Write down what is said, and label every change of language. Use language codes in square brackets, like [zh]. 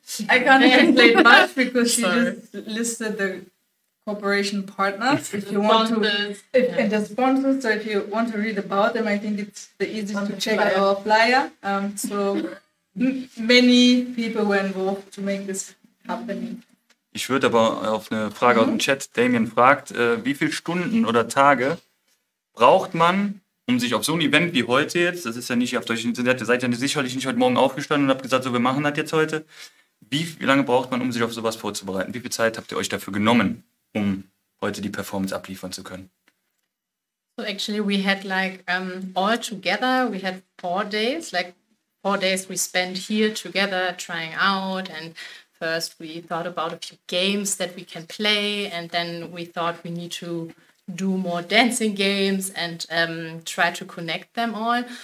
[en] I can't translate much because she just listed the cooperation partners. If you want to, and the sponsors, so if you want to read about them, I think it's the easiest to check out our flyer. So many people were involved to make this happen. [de] Ich würde aber auf eine Frage aus dem Chat, Damien fragt, wie viele Stunden oder Tage braucht man, um sich auf so ein Event wie heute jetzt, das ist ja nicht auf deutschen Internet, ihr seid ja sicherlich nicht heute Morgen aufgestanden und habt gesagt, so, wir machen das jetzt heute. Wie lange braucht man, um sich auf sowas vorzubereiten? Wie viel Zeit habt ihr euch dafür genommen, um heute die Performance abliefern zu können? [en] So actually we had like all together, we had 4 days, like 4 days we spent here together trying out and first, we thought about a few games that we can play, and then we thought we need to do more dancing games and try to connect them all.